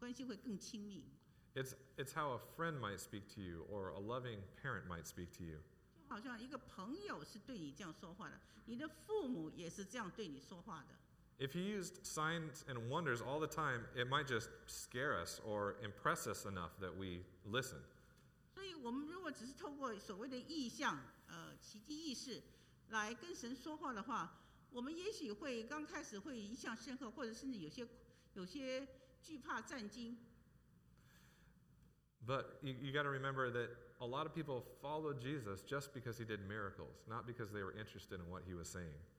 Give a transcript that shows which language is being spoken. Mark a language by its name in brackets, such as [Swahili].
[Chinese] 我想神愿意以这种方式来说，因为这样子比较有一些个人的一些亲密的关系，关系会更亲密。 [English] It's how a friend might speak to you, or a loving parent might speak to you. [Chinese] 就好像一个朋友是对你这样说话的，你的父母也是这样对你说话的。 [English] If he used signs and wonders all the time, it might just scare us or impress us enough that we listen. [Chinese] 所以我们如果只是透过所谓的异象，奇迹异事来跟神说话的话，我们也许会刚开始会一向深刻，或者甚至有些惧怕战惊。 [English] But you got to remember that a lot of people followed Jesus just because he did miracles, not because they were interested in what he was saying.